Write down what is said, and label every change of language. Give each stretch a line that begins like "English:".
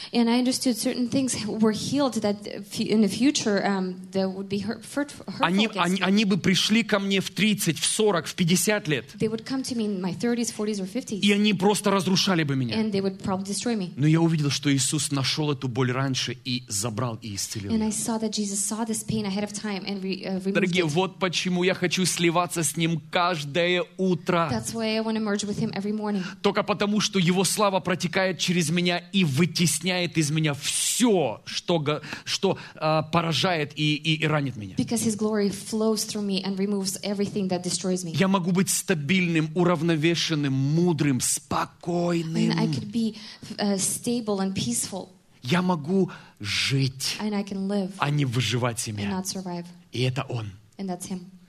Russian: Они бы пришли ко мне в 30, в 40, в 50 лет.
English: Come to me in my 30s, 40s, or 50s.
Russian: И они просто разрушали бы меня.
English: And they would probably destroy me.
Russian: Но я увидел, что Иисус нашел эту боль раньше и забрал и исцелил.
English: And I saw that Jesus saw this pain ahead of time and removed
Russian: Дорогие,
English: it.
Russian: Дорогие, вот почему я хочу сливаться с Ним каждое утро.
English: That's why I want to merge with Him every morning.
Russian: Только потому, что Его слава протекает через меня и вытесняет из меня все, что поражает и ранит меня.
English: Because His glory flows through me and removes everything that destroys me.
Russian: Я могу быть стабильным, уравновешенным, мудрым, спокойным.
English: And I could be, stable and peaceful.
Russian: Я могу жить,
English: and I can live,
Russian: а не выживать себя.
English: And not survive.
Russian: И это Он.
English: And that's him.